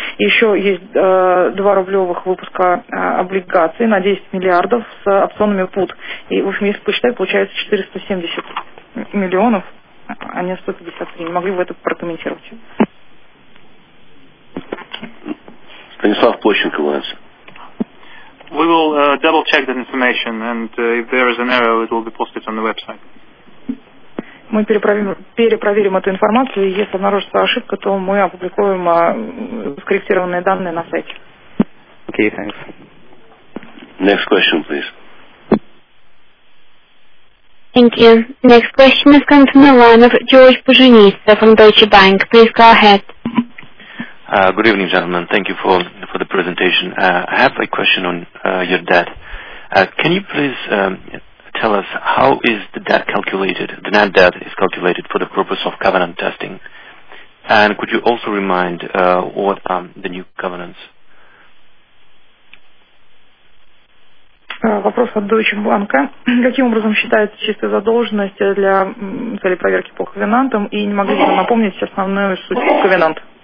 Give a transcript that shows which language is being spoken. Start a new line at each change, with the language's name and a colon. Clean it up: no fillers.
Russian: Еще есть два рублевых выпуска облигаций на 10 миллиардов с опционами PUT. И, в общем, если посчитать, получается 470 миллионов, а не 153. Не могли бы это прокомментировать? Станислав Площенко, ВНС.
English: We will double check that information, and if there is an error, it will be posted on the website.
Russian: Мы перепроверим эту информацию, и если обнаружится ошибка, то мы опубликуем скорректированные данные на сайте.
English: Okay, thanks. Next question, please. Thank you. Next question is coming from the line of George Pujanista from Deutsche Bank. Please go ahead. Good evening, gentlemen. Thank you for the presentation. I have a question on your debt. Can you please tell us how is the debt calculated, the net debt is calculated for the purpose of covenant testing? And could you also remind what are the new covenants?
Russian: Вопрос от Deutsche Bank. Каким образом считается чистая задолженность для цели проверки по ковенантам? И не могли бы напомнить основную суть ковенанта?